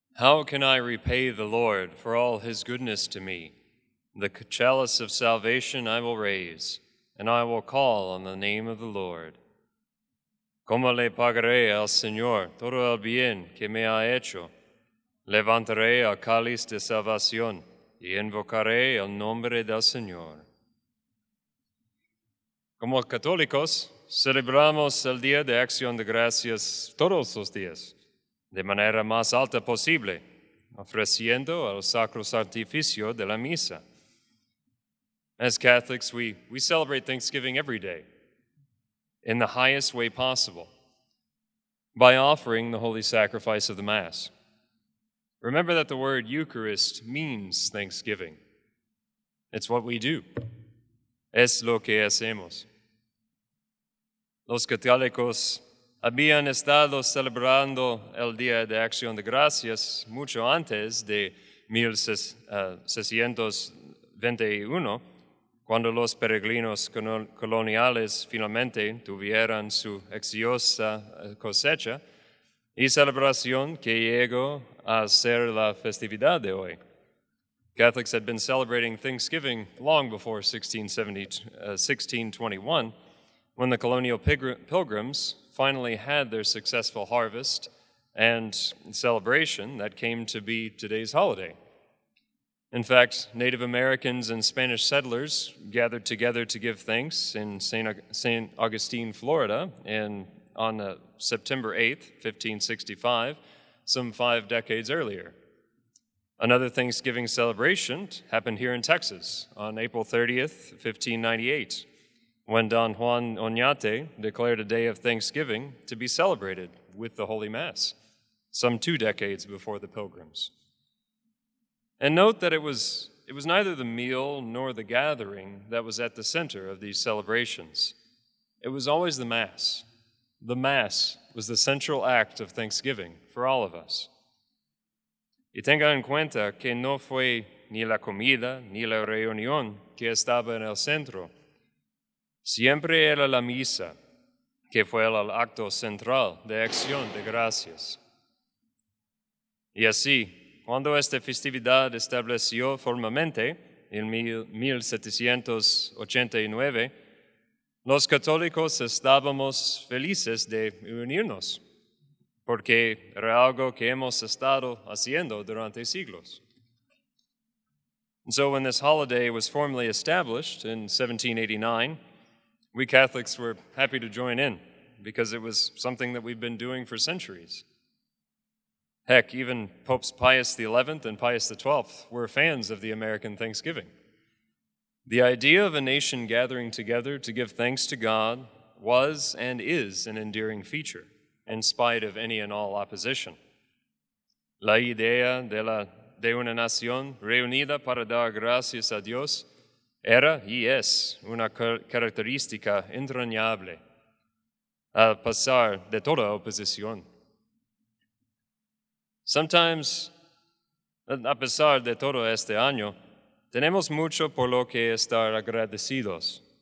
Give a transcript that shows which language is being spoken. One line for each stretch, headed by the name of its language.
English: How can I repay the Lord for all his goodness to me? The chalice of salvation I will raise, and I will call on the name of the Lord.
Spanish: Como le pagaré al Señor todo el bien que me ha hecho? Levantaré el cáliz de salvación y invocaré el nombre del Señor. Como católicos, celebramos el Día de Acción de Gracias todos los días, de manera más alta posible, ofreciendo el sacro sacrificio de la misa.
English: As Catholics, we celebrate Thanksgiving every day, in the highest way possible, by offering the holy sacrifice of the Mass. Remember that the word Eucharist means Thanksgiving. It's what we do.
Spanish: Es lo que hacemos. Los católicos habían estado celebrando el Día de Acción de Gracias mucho antes de 1621, cuando los peregrinos coloniales finalmente tuvieran su exitosa cosecha y celebración que llegó a ser la festividad de hoy.
English: Catholics had been celebrating Thanksgiving long before 1621, when the colonial pilgrims finally had their successful harvest and celebration that came to be today's holiday. In fact, Native Americans and Spanish settlers gathered together to give thanks in St. Augustine, Florida, on September 8th, 1565, some five decades earlier. Another Thanksgiving celebration happened here in Texas on April 30th, 1598. When Don Juan Oñate declared a day of Thanksgiving to be celebrated with the Holy Mass, some two decades before the pilgrims. And note that it was neither the meal nor the gathering that was at the center of these celebrations. It was always the Mass. The Mass was the central act of Thanksgiving for all of us.
Spanish: Y tenga en cuenta que no fue ni la comida ni la reunión que estaba en el centro. Siempre era la misa, que fue el acto central de acción de gracias. Y así, cuando esta festividad estableció formalmente en 1789, los católicos estábamos felices de unirnos, porque era algo que hemos estado haciendo durante siglos.
English: And so when this holiday was formally established in 1789, we Catholics were happy to join in, because it was something that we've been doing for centuries. Heck, even Popes Pius XI and Pius XII were fans of the American Thanksgiving. The idea of a nation gathering together to give thanks to God was and is an endearing feature, in spite of any and all opposition.
Spanish: La idea de una nación reunida para dar gracias a Dios era y es una característica entrañable al pasar de toda oposición.
English: Sometimes,
Spanish: a pesar de todo este año, tenemos mucho por lo que estar agradecidos.